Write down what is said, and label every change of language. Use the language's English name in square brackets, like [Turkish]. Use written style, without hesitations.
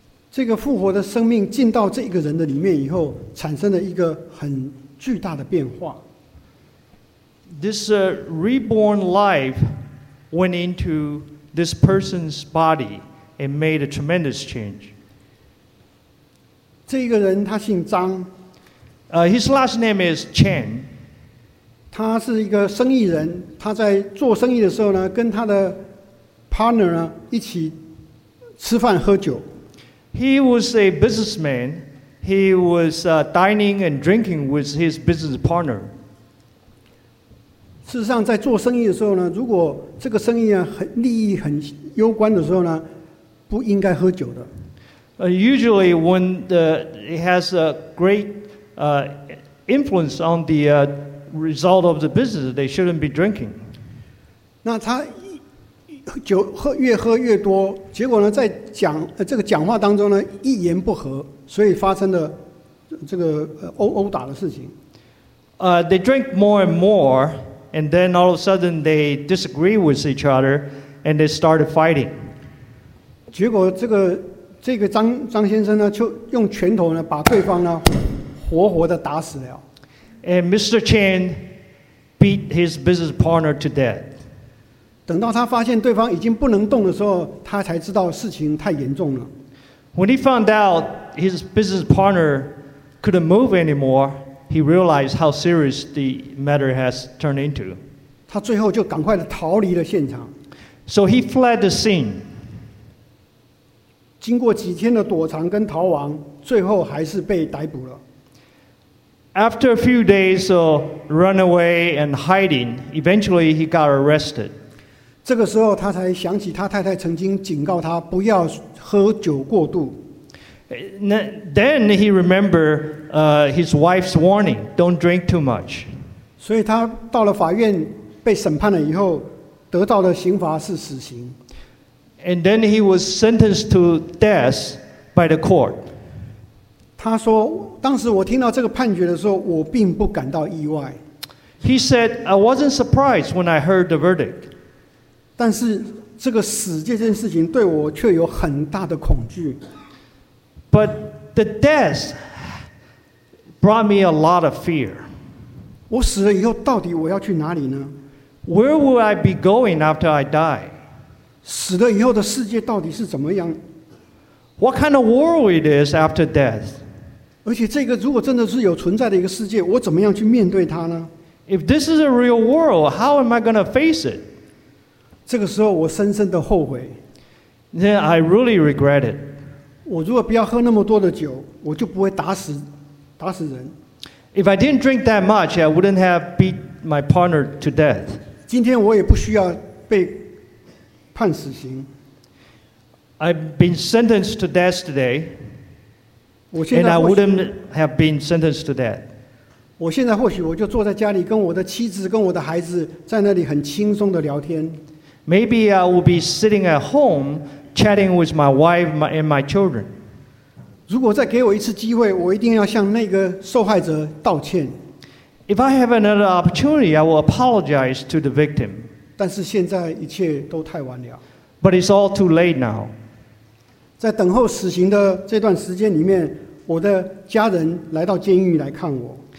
[Chinese] 这个复活的生命进到这一个人的里面以后，产生了一个很巨大的变化。 [English] This reborn life went into this person's body and made a tremendous change. [Chinese] 这个人他姓张。 [English] His last name is Chen. [Chinese] 他是一个生意人，他在做生意的时候呢，跟他的 partner 呢一起吃饭喝酒。 [English] He was a businessman. He was dining and drinking with his business partner. [Chinese] 事实上，在做生意的时候呢，如果这个生意啊很利益很攸关的时候呢，不应该喝酒的。 [English] Usually, when it has a great influence on the result of the business, they shouldn't be drinking. [Chinese] 那他酒喝越喝越多，结果呢，在讲这个讲话当中呢，一言不合，所以发生了这个殴打的事情。 [English] They drink more and more, and then all of a sudden they disagree with each other, and they started fighting. [Chinese] 结果这个张先生呢，就用拳头呢把对方呢活活的打死了。 [English] And Mr. Chen beat his business partner to death. [Chinese] 等到他发现对方已经不能动的时候，他才知道事情太严重了。 [English] When he found out his business partner couldn't move anymore, he realized how serious the matter has turned into. [Chinese] 他最后就赶快的逃离了现场。 [English] So he fled the scene. [Chinese] 经过几天的躲藏跟逃亡，最后还是被逮捕了。 [English] After a few days of runaway and hiding, eventually he got arrested. [Chinese] 这个时候他才想起他太太曾经警告他不要喝酒过度。 [English] Then he remembered his wife's warning, don't drink too much. [Chinese] 所以他到了法院被审判了以后得到的刑罚是死刑。 [English] And then he was sentenced to death by the court. [Chinese] 他说当时我听到这个判决的时候我并不感到意外。 [English] He said, I wasn't surprised when I heard the verdict. [Chinese] 但是这个死这件事情对我却有很大的恐惧。 [English] But the death brought me a lot of fear. [Chinese] 我死了以后到底我要去哪里呢？ [English] Where will I be going after I die? [Chinese] 死了以后的世界到底是怎么样？ [English] What kind of world it is after death? [Chinese] 而且这个如果真的是有存在的一个世界，我怎么样去面对它呢？ [English] If this is a real world, how am I going to face it? [Chinese] 这个时候我深深的后悔。 [English] Then I really regret it. [Chinese] 我如果不要喝那么多的酒，我就不会打死人。 [English] If I didn't drink that much, I wouldn't have beat my partner to death. [Chinese] 今天我也不需要被判死刑。 [English] I've been sentenced to death today. [Chinese] 我现在 [English] And I wouldn't have been sentenced to death. [Chinese] 我现在或许我就坐在家里跟我的妻子跟我的孩子在那里很轻松的聊天。 [English] Maybe I will be sitting at home chatting with my wife and my children. [Chinese] 如果再给我一次机会，我一定要向那个受害者道歉。 [English] If I have another opportunity, I will apologize to the victim. [Chinese] 但是现在一切都太晚了。 [English] But it's all too late now. [Chinese] 在等候死刑的这段时间里面，我的家人来到监狱来看我。